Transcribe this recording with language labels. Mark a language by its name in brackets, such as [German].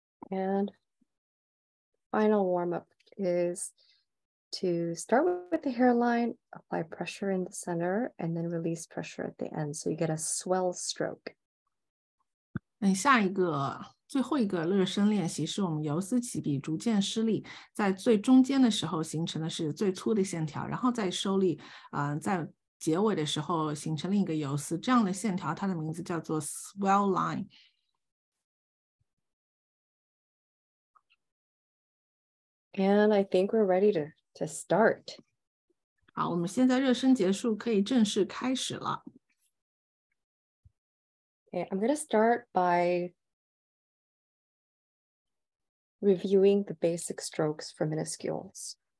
[English] And final warm-up is to start with the hairline, apply pressure in the center, and then release pressure at the end. So you get a swell stroke. [Chinese] 下一个最后一个热身练习是我们游丝起笔逐渐施力，在最中间的时候形成的是最粗的线条，然后再收力，在结尾的时候形成另一个游丝，这样的线条它的名字叫做 swell line。 [English] And I think we're ready to start. [Chinese] 好，我们现在热身结束，可以正式开始了。 [English] Okay, I'm going to start by reviewing the basic strokes for minuscules.